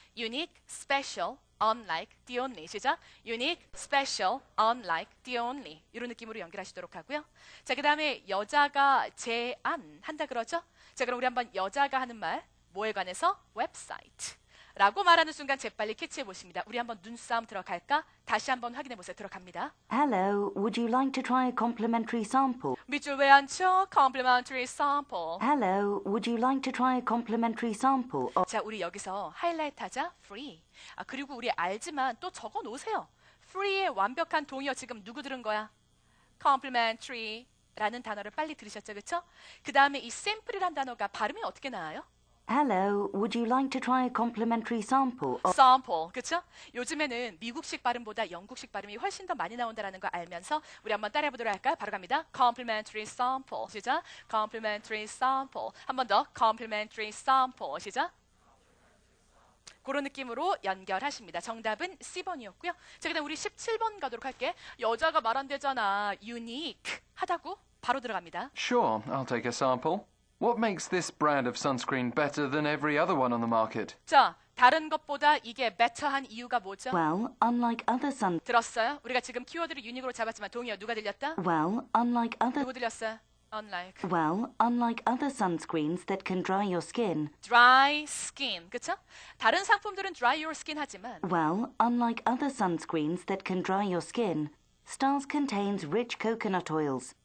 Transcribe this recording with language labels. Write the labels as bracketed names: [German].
[English] Unique, special, unlike, the only. [Korean] 시작. [English] Unique, special, unlike, the only. [Korean] 이런 느낌으로 연결하시도록 하고요. 자, 그 다음에 여자가 제안한다 그러죠? 자, 그럼 우리 한번 여자가 하는 말, 뭐에 관해서? 웹사이트. 라고 말하는 순간 재빨리 캐치해 보십니다. 우리 한번 눈싸움 들어갈까? 다시 한번 확인해 보세요. 들어갑니다. [English] Hello, would you like to try a complimentary sample? [Korean] 밑줄 왜 안 쳐? [English] Complimentary sample. Hello, would you like to try a complimentary sample? [Korean] 자, 우리 여기서 하이라이트 하자. [English] Free. [Korean] 아, 그리고 우리 알지만 또 적어 놓으세요. Free의 완벽한 동의어 지금 누구 들은 거야? Complimentary 라는 단어를 빨리 들으셨죠, 그렇죠? 그 다음에 이 sample이란 단어가 발음이 어떻게 나와요? [English] Hello, would you like to try a complimentary sample? [Korean] Sample, 그렇죠? 요즘에는 미국식 발음보다 영국식 발음이 훨씬 더 많이 나온다는 걸 알면서 우리 한번 따라해보도록 할까요? 바로 갑니다. [English] Complimentary sample, [Korean] 시작. Complimentary sample. 한 번 더. [English] Complimentary sample, [Korean] 시작. 그런 느낌으로 연결하십니다. 정답은 C번이었고요. 자, 그다음 우리 17번 가도록 할게. 여자가 말한대잖아. Unique 하다고 바로 들어갑니다. [English] Sure, I'll take a sample. What makes this brand of sunscreen better than every other one on the market? [Korean] 자, 다른 것보다 이게 better한 이유가 뭐죠? [English] Well, unlike other sun... [Korean] 들었어요? 우리가 지금 키워드를 유닉으로 잡았지만 동의어 누가 들렸다? [English] Well, unlike other... [Korean] 누구 들렸어요? Unlike. [English] Well, unlike other sunscreens that can dry your skin. [Korean] Dry skin, 그쵸? 다른 상품들은 [English] dry your skin [Korean] 하지만... [English] Well, unlike other sunscreens that can dry your skin, Stars contains rich coconut oils.